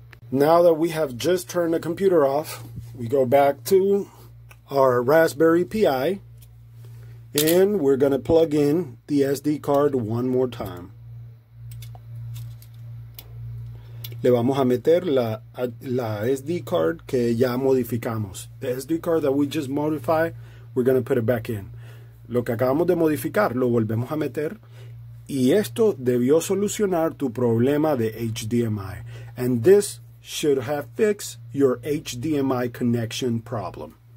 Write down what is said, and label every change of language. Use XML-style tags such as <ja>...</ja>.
<en>Now that we have just turned the computer off, we go back to our Raspberry Pi and we're going to plug in the SD card one more time.</en> <es>Le vamos a meter la SD card que ya modificamos.</es> <en>The SD card that we just modified, we're going to put it back in.</en> <es>Lo que acabamos de modificar, lo volvemos a meter. Y esto debió solucionar tu problema de HDMI.</es> <en>And this should have fixed your HDMI connection problem.</en>